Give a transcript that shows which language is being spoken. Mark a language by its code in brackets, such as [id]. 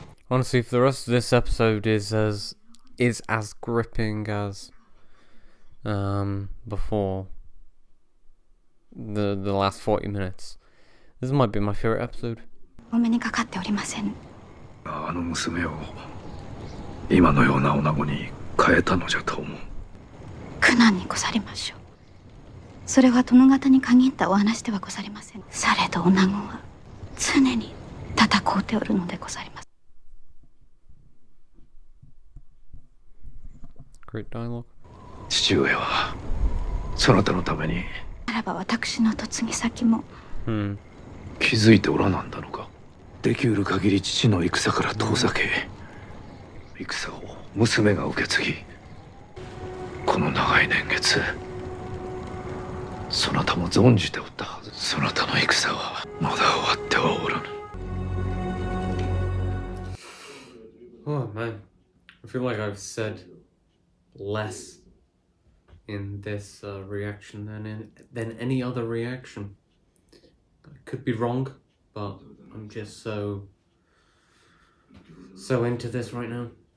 [en] Honestly, if the rest of this episode is as gripping as before the last 40 minutes, this might be my favorite episode. [ja] お目にかかっておりません。あの娘を今のような女子に変えたのじゃと思う。苦難にござりましょう。それは殿方に限ったお話ではござりません。されど女子は常に戦っておるのでござります。 [en] Great dialogue. [ja] 父上はそなたのためにならば私の嫁ぎ先も、気づいておらなんだのか。できうる限り父の戦から遠ざけ、戦を娘が受け継ぎ、この長い年月そなたも存じておったはず。そなたの戦はまだ終わってはおらぬ。 [en] Oh man, I feel like I've said less in this reaction than any other reaction. I could be wrong, but I'm just so into this right now.